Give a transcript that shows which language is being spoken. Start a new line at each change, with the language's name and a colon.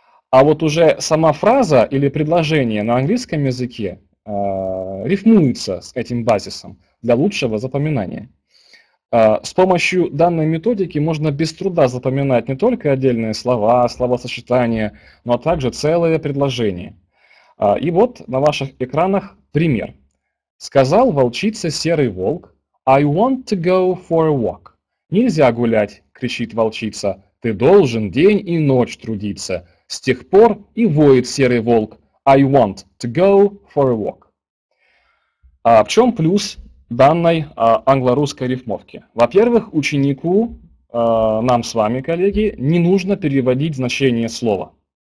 Russian: А вот уже сама фраза или предложение на английском языке рифмуется с этим базисом для лучшего запоминания. С помощью данной методики можно без труда запоминать не только отдельные слова, словосочетания, но также целые предложения. И вот на ваших экранах пример. Сказал волчице серый волк,
English: I want to go for a walk.
Russian: Нельзя гулять, кричит волчица, ты должен день и ночь трудиться. С тех пор и воет серый волк,
English: I want to go for a walk.
Russian: А в чем плюс данной англо-русской рифмовки? Во-первых, ученику, нам с вами, коллеги, не нужно переводить значение слова.